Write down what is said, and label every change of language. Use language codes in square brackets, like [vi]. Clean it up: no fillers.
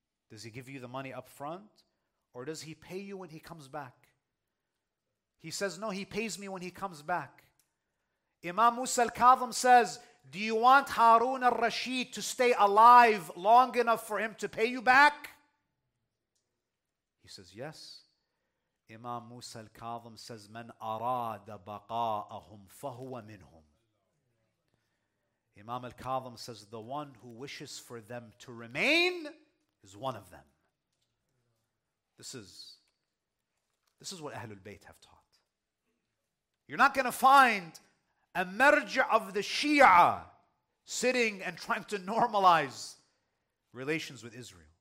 [en] Does he give you the money up front? Or does he pay you when he comes back? He says, no, he pays me when he comes back. Imam Musa al-Kadhim says, do you want Harun al-Rashid to stay alive long enough for him to pay you back? He says, yes. [ar] Imam Musa al-Kadhim says, من أراد بقاءهم فهو منهم. [en] Imam al-Kadhim says, the one who wishes for them to remain is one of them. This is what Ahlul Bayt have taught. You're not going to find a merger of the Shia sitting and trying to normalize relations with Israel.